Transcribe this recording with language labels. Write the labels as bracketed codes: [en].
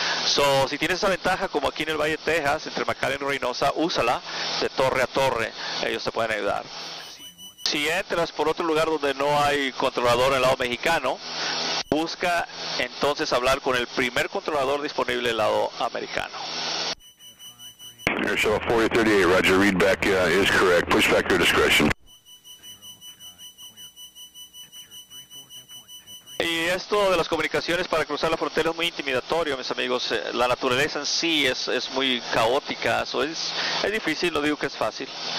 [es] So, si tienes esa ventaja, como aquí en el Valle de Texas, entre McAllen y Reynosa, úsala de torre a torre, ellos te pueden ayudar. Si entras por otro lugar donde no hay controlador en el lado mexicano, busca entonces hablar con el primer controlador disponible en el lado americano. [en] Airshow 4038, Roger, read back is correct, push back your discretion. [es] Y esto de las comunicaciones para cruzar la frontera es muy intimidatorio, mis amigos. La naturaleza en sí es muy caótica, so es difícil, no digo que es fácil.